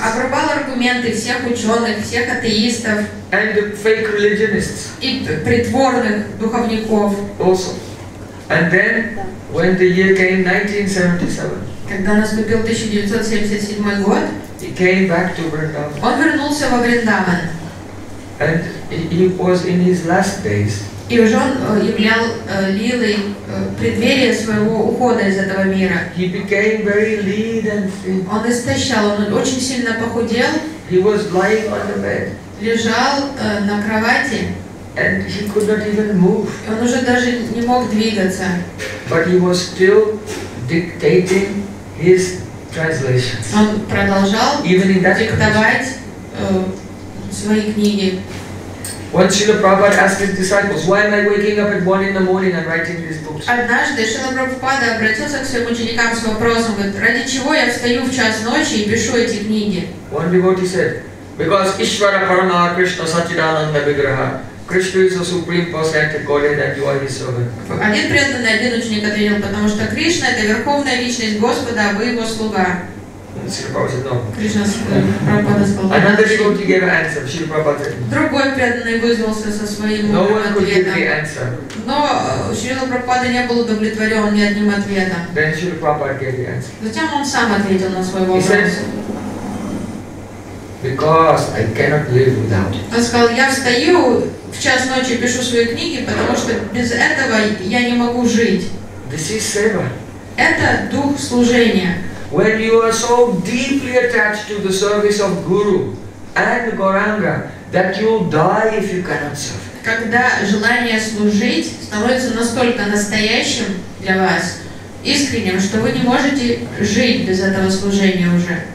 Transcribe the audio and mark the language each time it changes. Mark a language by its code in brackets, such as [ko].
[ru] Обрубал аргументы всех ученых, всех атеистов. [en] And the fake religionists. [ru] И притворных духовников. [en] Also. And then, when the year came 1977. [ru] Когда наступил 1977 год. [en] He came back to Vrindavan. [ru] Он вернулся во Вриндаван. [en] And he was in his last days. [ru] И уже он являл лилой преддверие своего ухода из этого мира. [en] He became very lean and thin. [ru] Он истощал, он очень сильно похудел. [en] He was lying on the bed. [ru] Лежал на кровати. [en] And he could not even move. [ru] И он уже даже не мог двигаться. [en] But he was still dictating his translations. [ru] Он продолжал [en] even in that [ru] диктовать свои книги. [en] Once Srila Prabhupada asked his disciples, why am I waking up at 1 in the morning and writing these books? [ru] Однажды Шрила Прабхупада обратился к своим ученикам с вопросом, говорит, ради чего я встаю в час ночи и пишу эти книги? [en] One devotee said, because [sa] Ishvara Parama Krishna Satchidananda Vigraha. [en] Krishna is the supreme personality, Godhead, and you are his servant. [ru] Один преданный, один ученик ответил, потому что Кришна это верховная личность Господа, а вы его слуга. [en] Another devotee gave an answer. Srila Prabhupada said. [ru] Другой преданный вызвался со своим ответом. [en] No one could give the answer. [ru] Но Шрила Прабхупада не был удовлетворен ни одним ответом. [en] Then Srila Prabhupada gave the answer. [ru] Затем он сам ответил на свой вопрос. [en] He said, because I cannot live without it. [ru] Он сказал, я встаю в час ночи, пишу свои книги, потому что без этого я не могу жить. [en] This is seva. [ru] Это дух служения. [en] When you are so deeply attached to the service of Guru and Gauranga that you'll die if you cannot serve. [ru] Когда желание служить становится настолько настоящим для вас, искренним, что вы не можете жить без этого служения уже.